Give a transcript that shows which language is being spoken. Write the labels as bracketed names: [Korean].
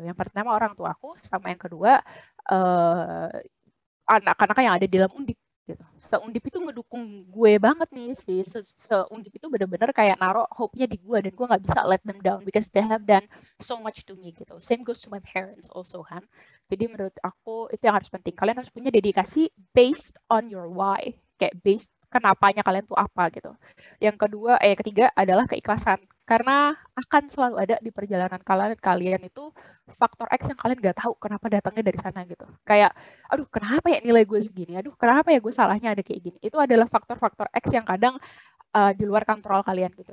[Indonesian] Yang pertama orang tuaku, sama yang kedua anak-anak yang ada di dalam Undip gitu. Se-Undip itu ngedukung gue banget nih sih. Se-Undip itu benar-benar kayak naro hope-nya di gue dan gue enggak bisa [English] let them down because they have done so much to me [Indonesian] gitu. [English] Same goes to my parents also kan. [Indonesian] Jadi menurut aku itu yang harus penting. Kalian harus punya dedikasi [English] based on your why. [Indonesian] Kayak based kenapanya kalian tuh apa gitu. Yang ketiga adalah keikhlasan. Karena akan selalu ada di perjalanan kalian itu faktor X yang kalian gak tahu kenapa datangnya dari sana gitu. Kayak, aduh kenapa ya nilai gue segini, aduh kenapa ya gue salahnya ada kayak gini. Itu adalah faktor-faktor X yang kadang di luar kontrol kalian gitu.